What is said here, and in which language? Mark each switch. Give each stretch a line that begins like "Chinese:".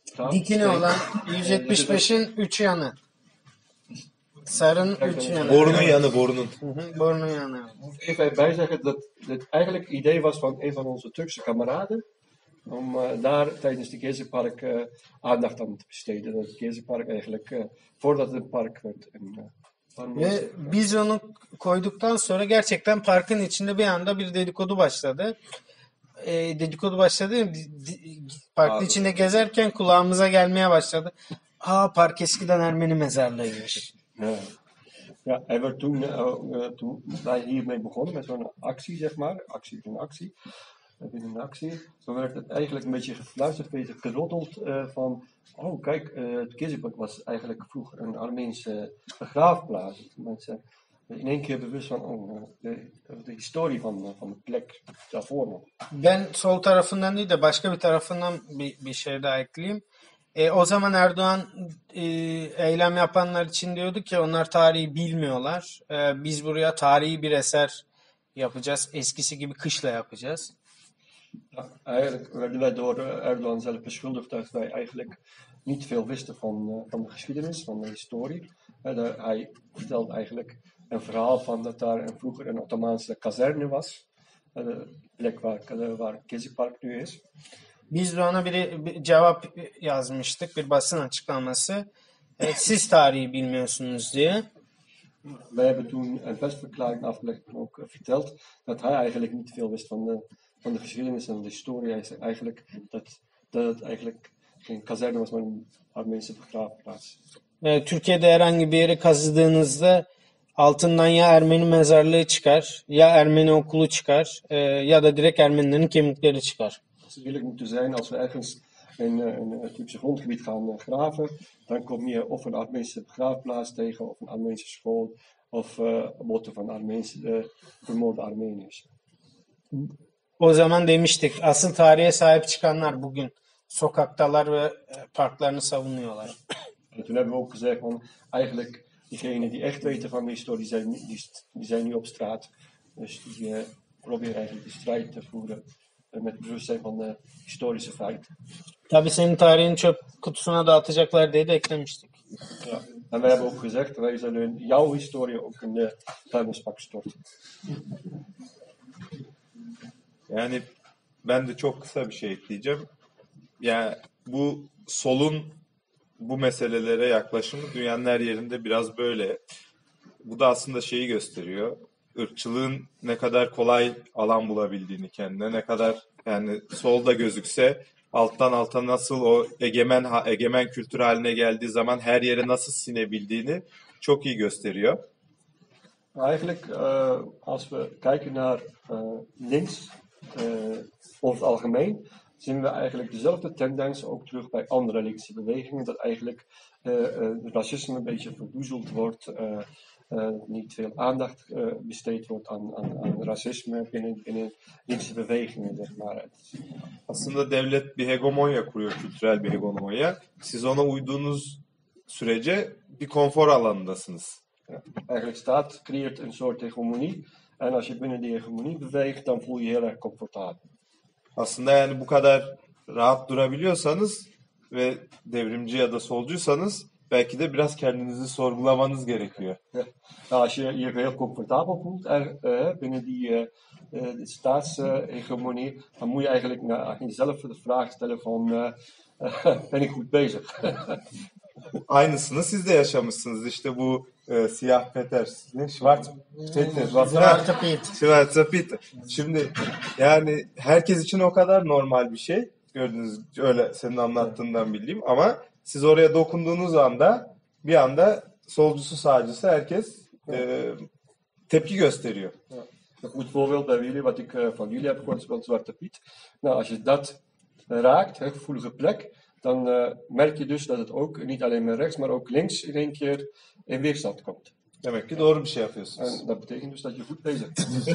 Turkish: Dikine olan 175'in 3 yanı. Sarın üç yanı. Borunun yanı, borunun. Borunun yanı.
Dutch: Even bijzeggen dat het eigenlijk idee was van een van onze Turkse kameraden om daar tijdens de Gezi-park aandacht aan te besteden. Dat het Gezi-park eigenlijk voordat het een park werd.
Turkish: Ve biz onu koyduktan sonra gerçekten parkın içinde bir anda bir dedikodu başladı. Dedikodu başladı. Parkın içinde gezerken kulağımıza gelmeye başladı. Park eskiden Ermeni mezarlığıymış.
Dutch: Ja, hij werd toen, toen wij hiermee begonnen met zo'n actie, zeg maar. Actie in actie. Binnen een actie. Zo werd het eigenlijk een beetje gefluisterd, een beetje geroddeld. Van, kijk, het Gezi-park was eigenlijk vroeger een Armeense begraafplaats. Mensen in één keer bewust van de historie van de plek daarvoor.
Turkish: Ben sol tarafından değil de başka bir tarafından bir şey daha ekleyeyim. O zaman Erdoğan eylem yapanlar için diyordu ki onlar tarihi bilmiyorlar. Biz buraya tarihi bir eser yapacağız. Eskisi gibi kışla yapacağız.
Dutch: Eigenlijk werden wij door Erdoğan zelf beschuldigd dat wij eigenlijk niet veel wisten van de geschiedenis, van de historie. Hij vertelt eigenlijk een verhaal van dat daar vroeger een Ottomaanse kazerne was. De plek waar Gezi-park nu is.
Turkish: Biz de ona bir cevap yazmıştık, bir basın açıklaması. Siz tarihi bilmiyorsunuz diye.
Dutch: Wij hebben toen een persverklaring afgelegd en ook verteld dat hij eigenlijk niet veel wist van de geschiedenis en de historie. Hij zei eigenlijk dat het eigenlijk geen kazerne was, maar een Armeense begraafplaats.
Turkish: Türkiye'de herhangi bir yere kazıdığınızda altından ya Ermeni mezarlığı çıkar, ya Ermeni okulu çıkar, ya da direkt Ermenilerin kemikleri çıkar.
Dutch: Eerlijk moeten zijn, als we ergens in het Turkse grondgebied gaan graven, dan kom je of een Armeense begraafplaats tegen, of een Armeense school, of botten van Armeense, vermoorde Armeniërs.
Turkish: O zaman demiştik, asıl tarihe sahip çıkanlar bugün sokaktalar ve parklarını savunuyorlar.
Dutch: En toen hebben we ook gezegd, van, eigenlijk diegenen die echt weten van de historie, die zijn nu op straat. Dus die proberen eigenlijk de strijd te voeren. Met bewustzijn van de historische feiten.
Turkish: Tabii senin tarihini çöp kutusuna dağıtacaklar diye de eklemiştik.
Dutch: Ja, en wij hebben ook gezegd, wij zullen jouw historie ook in de vuilnisbak storten.
Turkish: Yani ben de çok kısa bir şey ekleyeceğim. Yani bu solun bu meselelere yaklaşımı dünyanın her yerinde biraz böyle. Bu da aslında şeyi gösteriyor. Irkçılığın ne kadar kolay alan bulabildiğini kendine, ne kadar yani solda gözükse alttan alta nasıl o egemen kültür haline geldiği zaman her yere nasıl sinebildiğini çok iyi gösteriyor.
Dutch: Eigenlijk als we kijken naar links over het algemeen zien we eigenlijk dezelfde tendens ook terug bij andere linkse bewegingen, dat eigenlijk racisme een beetje verdoezeld wordt, niet veel aandacht besteed wordt aan racisme binnen linkse bewegingen, zeg maar.
Turkish: Aslında devlet bir hegemonya kuruyor, kültürel bir hegemonya. Siz ona uyduğunuz sürece bir konfor alanındasınız.
Dutch: Eigenlijk staat creëert een soort hegemonie en als je binnen die hegemonie beweegt, dan voel je heel erg comfortabel.
Turkish: Aslında yani bu kadar rahat durabiliyorsanız ve devrimci ya da solcuysanız belki de biraz kendinizi sorgulamanız gerekiyor.
Dutch: Als je je heel comfortabel voelt binnen die staatshegemonie, dan moet je eigenlijk naar jezelf de vraag stellen van ben ik goed bezig?
Turkish: Aynısını siz de yaşamışsınız. İşte bu siyah Peter, ne? Schwarz Peter. Schwarz Peter. Şimdi yani herkes için o kadar normal bir şey. Gördüğünüz öyle senin anlattığından bildiğim. Ama siz oraya dokunduğunuz anda bir anda solcusu sağcısı herkes tepki gösteriyor.
Dutch: Goed voorbeeld bij jullie, wat ik van jullie heb gehoord, is wel Zwarte Piet. Nou, als je dat raakt, een gevoelige plek, dan merk je dus dat het ook niet alleen maar rechts, maar ook links in één keer in weerstand komt.
Turkish: Demek ki doğru bir şey yapıyorsunuz.
Dutch: En dat betekent dus dat je goed bezig bent.